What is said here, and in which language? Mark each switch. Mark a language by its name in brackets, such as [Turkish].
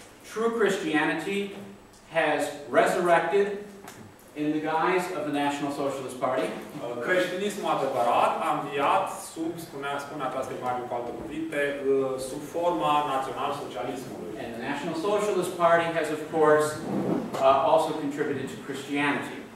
[English] True Christianity has resurrected in the guise of the National Socialist Party. [Romanian] Creștinismul adevărat a înviat sub, spune această imagine cu alte cuvinte, sub forma național-socialismului. [English] And the National Socialist Party has, of course, also contributed to Christianity.